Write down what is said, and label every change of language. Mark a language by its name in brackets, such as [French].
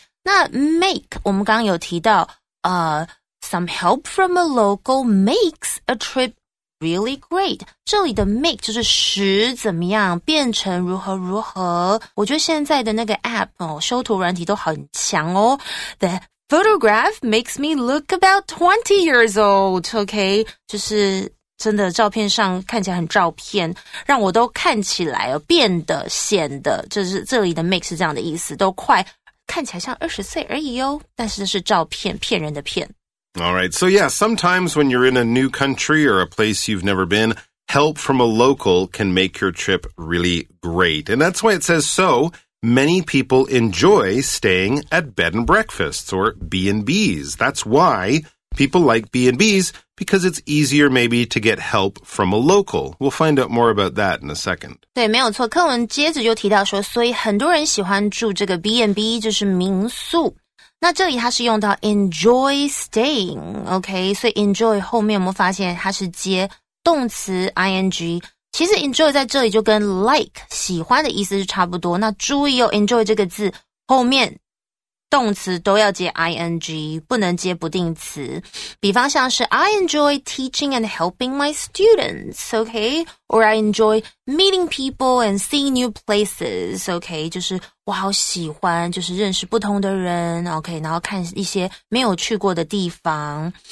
[Chinese] 那 [English] make, [Chinese] 我们刚刚有提到 [English] Some help from a local makes a trip really great. [Chinese] 这里的 make 就是使怎么样变成如何如何。我觉得现在的那个 app 哦，修图软体都很强哦。 [English] The photograph makes me look about 20 years old. [Chinese] Okay, 就是真的照片上看起来很照片，让我都看起来变得显得，就是这里的 make 是这样的意思，都快看起来像20岁而已哦。但是这是照片，骗人的骗。 [English] All right. So, yeah, sometimes when you're in a new country or a place you've never been, help from a local can make your trip really great. And that's why it says so many people enjoy staying at bed and breakfasts or B&Bs. That's why people like B&Bs, because it's easier maybe to get help from a local. We'll find out more about that in a second. [Chinese] 对，没有错。课文接着就提到说，所以很多人喜欢住这个 B&B, 就是民宿。那这里它是用到 enjoy staying, OK? 所以 enjoy 后面我们发现它是接动词 ing。其实 enjoy 在这里就跟 like, 喜欢的意思是差不多。那注意哦 ,enjoy 这个字后面动词都要接 ing, 不能接不定词。 [English] 比方像是 I enjoy teaching and helping my students, OK? Or I enjoy meeting people and seeing new places, OK? [Chinese] 就是我好喜欢就是认识不同的人 ,OK? 然后看一些没有去过的地方。